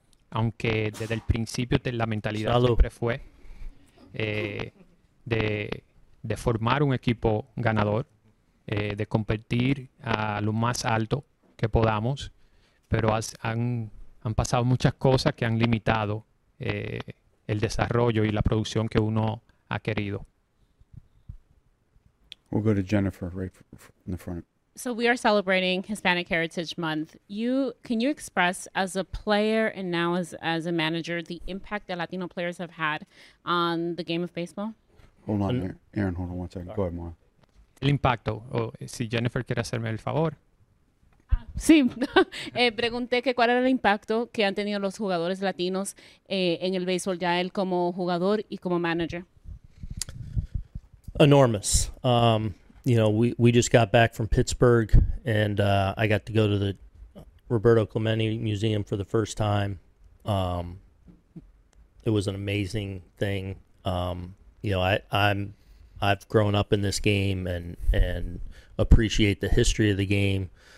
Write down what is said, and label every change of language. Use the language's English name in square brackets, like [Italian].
[Spanish] Aunque desde el principio la mentalidad Salud. Siempre fue de formar un equipo ganador, de competir a lo más alto que podamos, pero han pasado muchas cosas que han limitado el desarrollo y la producción que uno ha querido. [English] We'll go to Jennifer right in the front. So we are celebrating Hispanic Heritage Month. Can you express as a player and now as a manager the impact that Latino players have had on the game of baseball? Hold on, Aaron, hold on one second. Sorry. Go ahead, Mara. [Spanish] El impacto. Si Jennifer quiere hacerme el favor. Sí, pregunté que cuál era el impacto que han tenido los jugadores latinos en el béisbol, ya él como jugador y como manager. [English] Enormous. You know, we just got back from Pittsburgh, and I got to go to the Roberto Clemente Museum for the first time. It was an amazing thing. You know, I've grown up in this game and appreciate the history of the game.